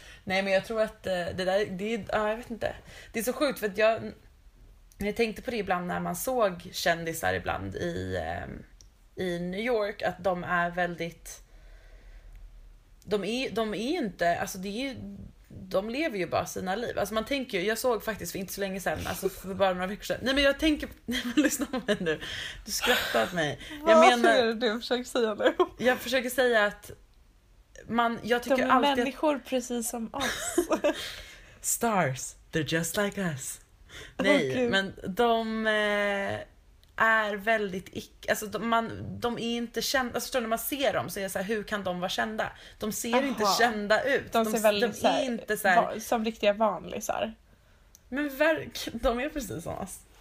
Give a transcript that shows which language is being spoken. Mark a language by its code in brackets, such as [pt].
[sv] Nej, men jag tror att det där, det är, jag vet inte. Det är så sjukt, för att jag tänkte på det ibland när man såg kändisar ibland i New York, att de är väldigt, de är inte, alltså det är ju, de lever ju bara sina liv. Alltså man tänker ju, jag såg faktiskt för inte så länge sedan, alltså för bara några veckor sedan. Nej, men jag tänker, lyssna på mig nu. Du skrattar åt mig. Jag menar, vad är det du försöker säga nu? Jag försöker säga att man, jag tycker alltid, de är människor att, precis som oss. [en] Stars, they're just like us. [sv] Nej, men de är väldigt icke, alltså de är inte kända, alltså när man ser dem så är det så här, hur kan de vara kända? De ser inte kända ut. De ser väldigt de är så här, inte så här, som riktiga vanlisar. Men verkligen, de är precis som oss.